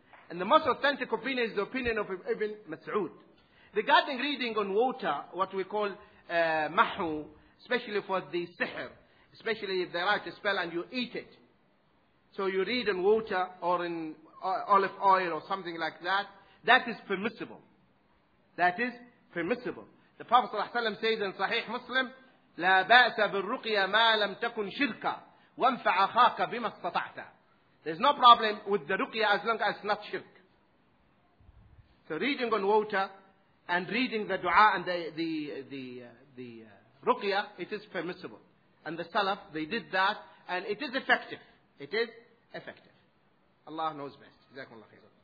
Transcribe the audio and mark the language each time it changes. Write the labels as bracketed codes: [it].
[en] And the most authentic opinion is the opinion of Ibn Mas'ud. Regarding reading on water, what we call mahu, especially for the sihr, especially if they write a spell and you eat it. So you read in water or in olive oil or something like that. That is permissible. That is permissible. The Prophet [ar] صلى الله عليه وسلم [en] says in Sahih Muslim, [ar] لا بأس بالرقية ما لم تكن شركا وانفع أخاك بما استطعت. [en] There's no problem with the ruqya as long as it's not shirk. So reading on water and reading the dua and the ruqya, it is permissible. And the Salaf, they did that, and it is effective. It is effective. Allah knows best. Jazakallah khair.